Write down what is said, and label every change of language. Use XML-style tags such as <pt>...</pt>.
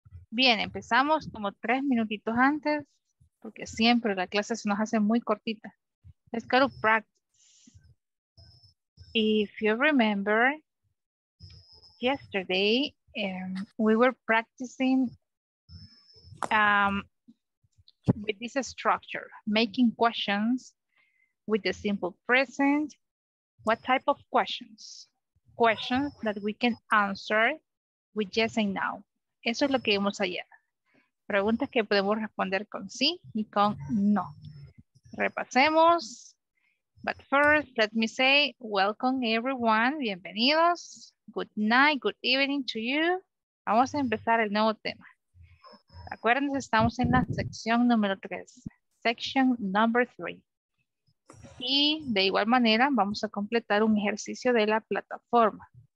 <es>Bien, empezamos como 3 minutitos antes, porque siempre la clase se nos hace muy cortita.</es> <en>Let's go to practice. If you remember, yesterday we were practicing with this structure, making questions with the simple present. What type of questions? Questions that we can answer with yes and no.</en> <es>Eso es lo que vimos ayer. Preguntas que podemos responder con sí y con no. Repasemos.</es> <en>But first, let me say welcome everyone,</en> <es>bienvenidos,</es> <en>good night, good evening to you.</en> <es>Vamos a empezar el nuevo tema. Acuérdense, estamos en la sección número 3,</es> <en>section number 3.</en> <es>Y de igual manera, vamos a completar un ejercicio de la plataforma.</es>